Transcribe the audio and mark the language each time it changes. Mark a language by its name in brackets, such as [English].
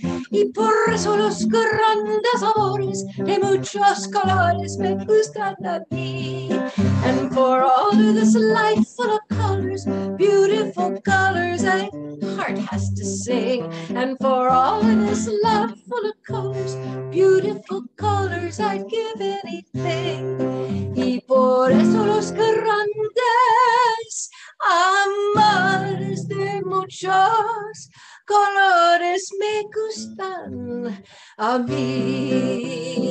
[Spanish] Y por eso los grandes amores de muchos colores me gustan a mí. [English] And for all of this life full of colors, beautiful colors, my heart has to sing. And for all of this love full of colors, beautiful colors, I'd give anything. [Spanish] Y por eso los grandes amores de muchos colores me gustan a mí.